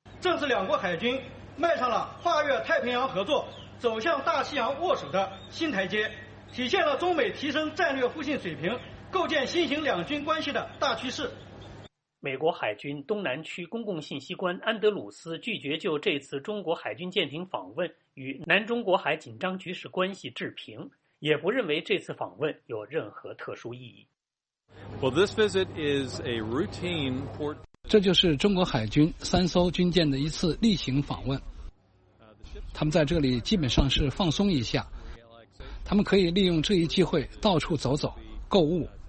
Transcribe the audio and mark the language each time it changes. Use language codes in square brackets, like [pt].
[zh] 这是两国海军迈上了跨越太平洋合作、走向大西洋握手的新台阶，体现了中美提升战略互信水平、构建新型两军关系的大趋势。美国海军东南区公共信息官安德鲁斯拒绝就这次中国海军舰艇访问与南中国海紧张局势关系置评，也不认为这次访问有任何特殊意义。 [en] Well, this visit is a routine port. [zh] 这就是中国海军三艘军舰的一次例行访问。他们在这里基本上是放松一下，他们可以利用这一机会到处走走、购物。